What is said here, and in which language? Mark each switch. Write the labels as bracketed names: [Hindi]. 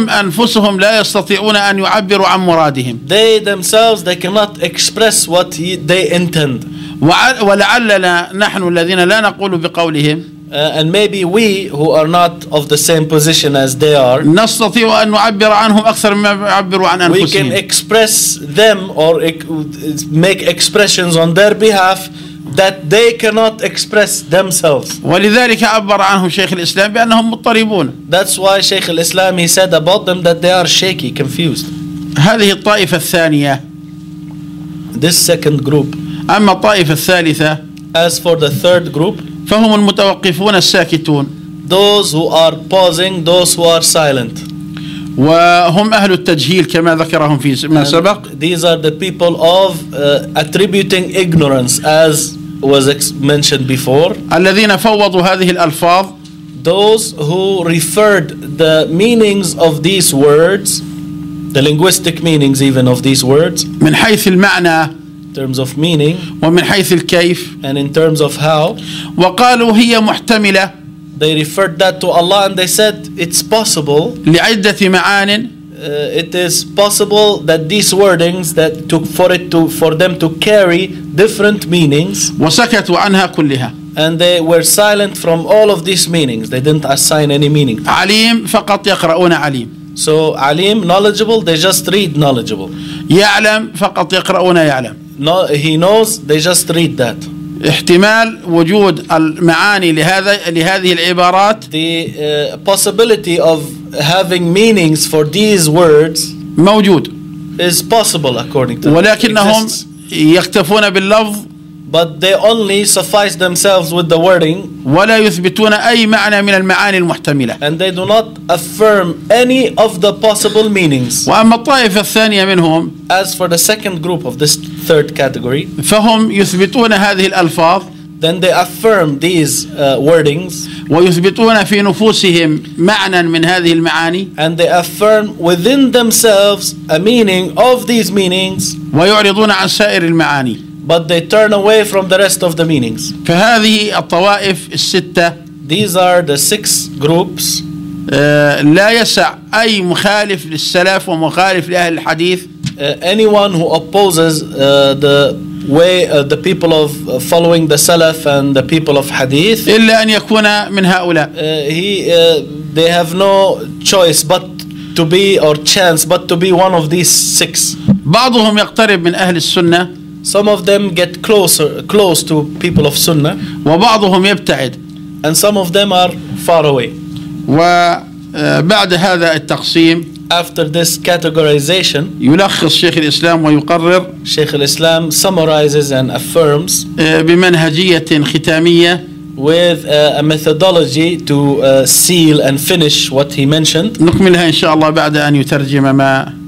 [Arabic] هم أنفسهم لا يستطيعون أن يعبروا عن مرادهم. [English] They themselves, they cannot express what they intend. [Arabic] ولعلنا نحن الذين لا نقول بقولهم, [English] And maybe we who are not of the same position as they are, [Arabic] نستطيع أن نعبر عنهم أكثر مما يعبروا عن أنفسهم. [English] We can express them or make expressions on their behalf that they cannot express themselves. [Arabic] ولذلك عبر عنهم شيخ الإسلام بأنهم مضطربون. [English] That's why Sheikh Islam he said about them that they are shaky, confused. [Arabic] هذه الطائفة الثانية. [English] This second group. [Arabic] أما الطائفة الثالثة. [English] As for the third group. [Arabic] فهم المتوقفون الساكتون. [English] Those who are pausing, those who are silent. [Arabic] وهم أهل التجهيل كما ذكرهم في ما سبق. [English] These are the people of attributing ignorance, as was mentioned before. [Arabic] الذين فوضوا هذه الألفاظ. [English] Those who referred the meanings of these words, the linguistic meanings even of these words. [Arabic] من حيث المعنى. [English] Terms of meaning, [Arabic] ومن حيث الكيف, [English] and in terms of how, [Arabic] وقالوا هي محتملة. [English] They referred that to Allah and they said it's possible. [Arabic] لعدة معان. [English] It is possible that these wordings that took for it to for them to carry different meanings. [Arabic] وسكتوا عنها كلها. [English] And they were silent from all of these meanings. They didn't assign any meaning. [Arabic] عليم فقط يقرؤون عليم. [English] So عليم knowledgeable. They just read knowledgeable. [Arabic] يعلم فقط يقرؤون يعلم. [English] No, he knows. They just read that. [Arabic] احتمال وجود المعاني لهذا لهذه العبارات. [English] The possibility of having meanings for these words [Arabic] موجود. [English] Is possible according to. [Arabic] ولكنهم يختفون باللفظ. [English] But they only suffice themselves with the wording. [Arabic] ولا يثبتون أي معنى من المعاني المحتملة. [English] And they do not affirm any of the possible meanings. [Arabic] وأما الطائفة الثانية منهم. [English] As for the second group of this third category. [Arabic] فهم يثبتون هذه الألفاظ. [English] Then they affirm these wordings. [Arabic] ويثبتون في نفوسهم معنى من هذه المعاني. [English] And they affirm within themselves a meaning of these meanings. [Arabic] ويعرضون عن سائر المعاني. [English] But they turn away from the rest of the meanings. [Arabic] فهذه الطوائف الستة. [English] These are the six groups. [Arabic] لا يسع أي مخالف للسلف ومخالف لأهل الحديث. [English] Anyone who opposes the way the people of following the Salaf and the people of Hadith. [Arabic] إلا أن يكون من هؤلاء. [English] They have no choice but to be or chance but to be one of these six. [Arabic] بعضهم يقترب من أهل السنة. [English] Some of them get close to people of Sunnah. [Arabic] وبعضهم يبتعد. [English] And some of them are far away. [Arabic] وبعد هذا التقسيم. [English] After this categorization. [Arabic] يلخص شيخ الإسلام ويقرر. [English] شيخ الإسلام summarizes and affirms. [Arabic] بمنهجية ختامية. [English] With a methodology to seal and finish what he mentioned. [Arabic] نكملها إن شاء الله بعد أن يترجم ما.